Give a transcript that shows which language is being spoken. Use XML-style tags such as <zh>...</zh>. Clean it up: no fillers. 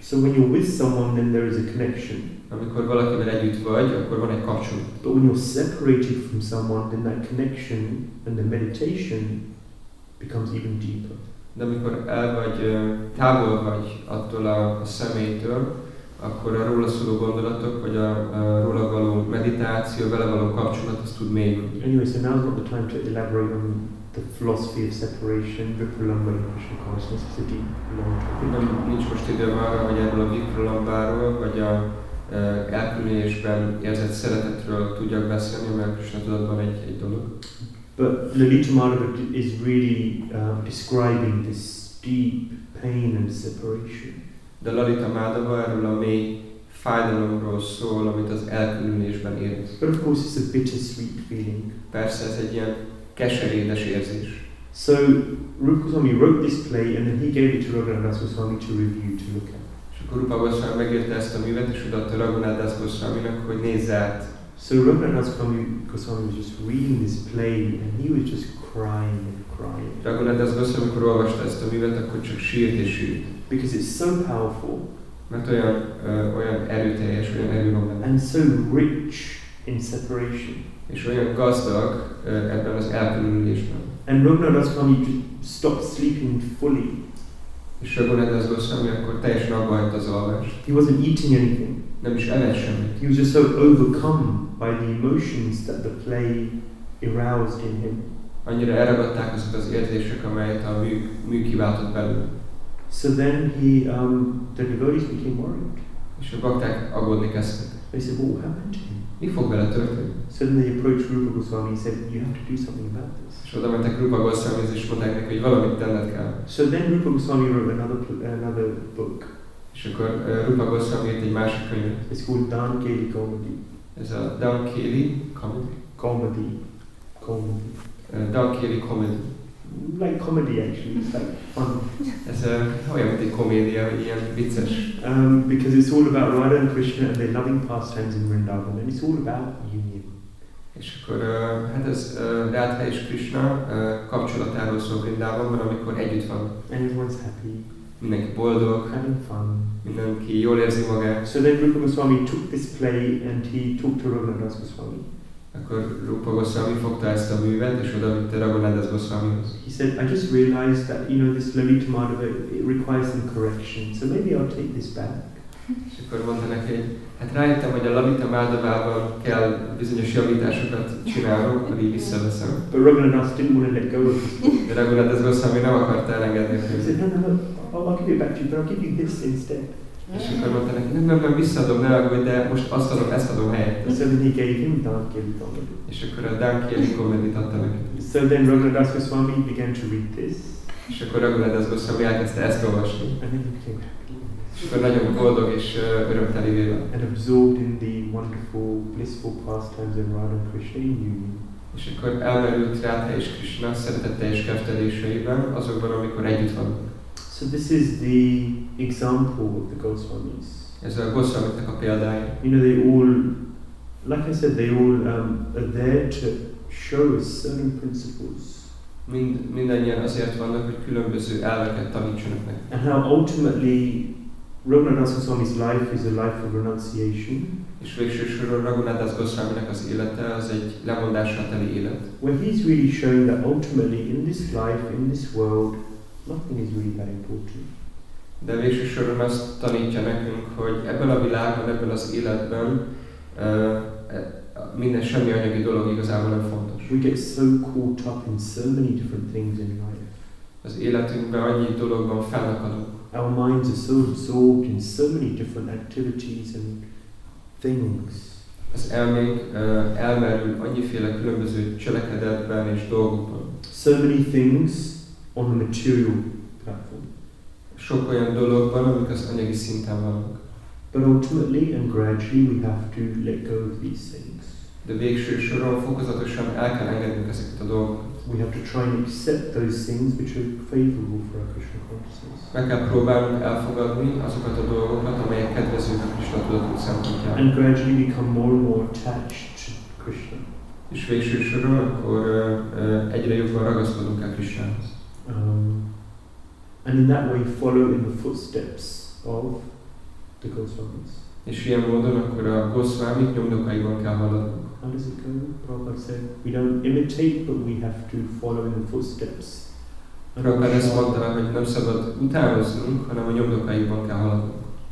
<en>So when you're with someone, then there is a connection.</en> <hu>Amikor valakivel együtt vagy, akkor van egy kapcsolat.</hu> <en>But when you're separated from someone, then that connection and the meditation becomes even deeper.</en> <hu>De amikor el vagy, távol vagy attól a személytől, akkor a róla szóló gondolatok, vagy a róla való meditáció, vele való kapcsolat, az tud mélyülni.</hu> <en>Anyway, so now's not the time to elaborate on the philosophy of separation, Vipralamba and Krishna consciousness, it's a deep, long topic.</en> <hu>Nem, nincs most idő arra, hogy erről a Vipralambáról, vagy a elkülönülésben érzett szeretetről tudjak beszélni, mert Krishna tudatban egy dolog.</hu> <en>But Lalita Madhava is really describing this deep pain and separation.</en> <hu>De Lalita Madhava erről a mély fájdalomról szól, amit az elkülönülésben érez.</hu> <en>But of course it's a bittersweet feeling.</en> <hu>Persze ez egy ilyen keserédes érzés.</hu> <en>So Rupa Goswami wrote this play and then he gave it to Raghunath Das Goswami to review, to look at.</en> <hu>És akkor Rupa Goswami megírta ezt a művet és odaadta Raghunath Das Goswaminak, hogy nézze át.</hu> <en>So Raghunath Das Goswami was just reading this play and he was just crying and crying.</en> <hu>Raghunath Das Goswami, amikor olvasta ezt a művet, akkor csak sírt és sírt.</hu> <en>Because it's so powerful.</en> <hu>Mert olyan erőteljes, olyan erő van benne.</hu> <en>And so rich in separation.</en> <hu>És olyan gazdag ebben az elkülönülésben.</hu> <en>And Raghunath Das Goswami stopped sleeping fully.</en> <hu>És Raghunath Das Goswami akkor teljesen abbahagyta az alvást.</hu> <en>He wasn't eating anything.</en> <hu>Nem is evett semmit.</hu> <en>He was just so overcome by the emotions that the play aroused in him.</en> <hu>Annyira elragadták azok az érzések, amelyet a mű kiváltott belőle.</hu> <en>So then the devotees became worried.</en> <hu>És a bakták aggódni kezdtek.</hu> <en>They said, well, what happened to him?</en> <hu>Mi fog vele történni?</hu> <en>So then they approached Rupa Goswami and said, you have to do something about this.</en> <hu>És oda mentek Rupa Goswamihoz és mondták neki, hogy valamit tenned kell.</hu> <en>So then Rupa Goswami wrote another book.</en> <hu>És akkor Rupa Goswami írt egy másik könyvet.</hu> <en>It's called Dan Kelly Comedy.</en> <hu>Ez a Dan Kelly Comedy?</hu> <en>Comedy.</en> <hu>Dan Kelly Comedy.</hu> <en>Like comedy actually, it's like fun.</en> <hu>Ez olyan, mint egy komédia, ilyen vicces.</hu> <en>Because it's all about Radha and Krishna and their loving pastimes in Vrindavan. And it's all about union.</en> <hu>És akkor hát ez Radha és Krishna kapcsolatáról szól Vrindavanban, amikor együtt van.</hu> <en>And everyone's happy.</en> <hu>Mindenki boldog.</hu> <en>Having fun.</en> <hu>Mindenki jól érzi magát.</hu> <en>So then Rupa Goswami took this play and he talked to Raghunath Das Goswami.</en> <hu>Akkor Rupa Goswami fogta ezt a művet és odavitte Raghunath Das Goswamihoz.</hu> <en>He said, I just realized that, you know, this Lalita Madhava, it requires some correction, so maybe I'll take this back.</en> <hu>És akkor mondta neki, hogy hát rájöttem, hogy a Lalita Madhavában kell bizonyos javításokat csinálnom, akkor így visszaveszem.</hu> <en>But Raghunath Das didn't want to let go of this.</en> <hu>De Raghunath Das Goswami nem akart elengedni.</hu> <en>He said, no, I'll give it back to you, but I'll give you this instead.</en> <hu>És akkor mondta neki, nem, visszaadom, ne aggódj, de most azt adom, ezt adom helyett.</hu> <en>So then he gave him Dan Kelly Comedy.</en> <hu>És akkor a Dan Kelly Comedy-t adta neki.</hu> <en>So then Raghunath Das Goswami began to read this.</en> <hu>És akkor Raghunath Das Goswami elkezdte ezt olvasni.</hu> <en>And then he became happy.</en> <hu>És akkor nagyon boldog és örömteli vélem.</hu> <en>And absorbed in the wonderful, blissful pastimes of Radha and Krishna in union.</en> <hu>És akkor elmerült Radha és Krishna szeretetteljes kerteléseiben, azokban, amikor együtt vannak.</hu> <en>So this is the example of the Goswamis.</en> <hu>Ez a Goswamiknak a példája.</hu> <en>You know, they all, like I said, they all are there to show us certain principles.</en> <hu>Mindannyian azért vannak, hogy különböző elveket tanítsanak nekünk.</hu> <en>And how ultimately Raghunath Das Goswami's life is a life of renunciation.</en> <hu>És végső soron Raghunath Das Goswaminak az élete az egy lemondásra teli élet.</hu> <en>Where he's really showing that ultimately in this life, in this world, nothing is really that important.</en> <hu>De végső soron azt tanítja nekünk, hogy ebben a világban, ebben az életben minden semmi anyagi dolog igazából nem fontos.</hu> <en>We get so caught up in so many different things in life.</en> <hu>Az életünkben annyi dologban felakadunk.</hu> <en>Our minds are so absorbed in so many different activities and things.</en> <hu>Az elménk elmerül annyiféle különböző cselekedetben és dolgokban.</hu> <en>So many things on the material platform.</en> <hu>Sok olyan dolog van, amik az anyagi szinten vannak.</hu> <en>But ultimately and gradually we have to let go of these things.</en> <hu>De végső soron fokozatosan el kell engednünk ezeket a dolgokat.</hu> <en>We have to try and accept those things which are favorable for our Krishna consciousness.</en> <hu>Meg kell próbálnunk elfogadni azokat a dolgokat, amelyek kedvezőnek a Krishna tudatunk szempontjából.</hu> <en>And gradually become more and more attached to Krishna.</en> <hu>És végső soron akkor egyre jobban ragaszkodunk el Krishnához.</hu> <en>And in that way follow in the footsteps of the Goswamis.</en> <hu>És ilyen módon akkor a Goswamik nyomdokaiban kell haladnunk.</hu> <en>How does it go? Prabhupada said, we don't imitate, but we have to follow in the footsteps.</en> <hu>Prabhupada ezt mondta, hogy nem szabad utánoznunk, hanem a nyomdokaiban kell haladnunk.</hu>